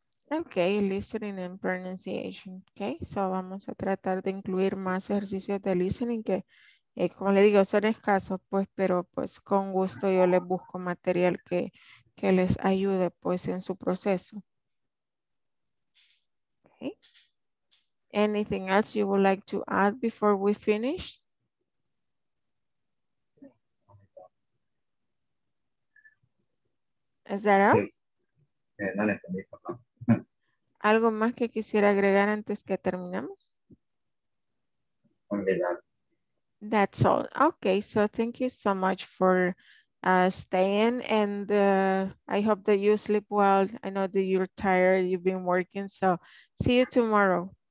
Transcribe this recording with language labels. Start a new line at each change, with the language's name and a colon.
English: Okay, listening and pronunciation.
Spanish: Okay, so vamos a tratar de incluir más ejercicios de listening que, como le digo, son escasos, pues, pero pues con gusto yo les busco material que les ayude, pues, en su proceso.
English: Okay. Anything else you would like to add before we finish? Okay. Is that all?
Spanish: No le entendí, perdón. ¿Algo más que quisiera agregar antes que terminamos?
English: That's all. Okay, so thank you so much for staying, and I hope that you sleep well. I know that you're tired, you've been working, so see you tomorrow.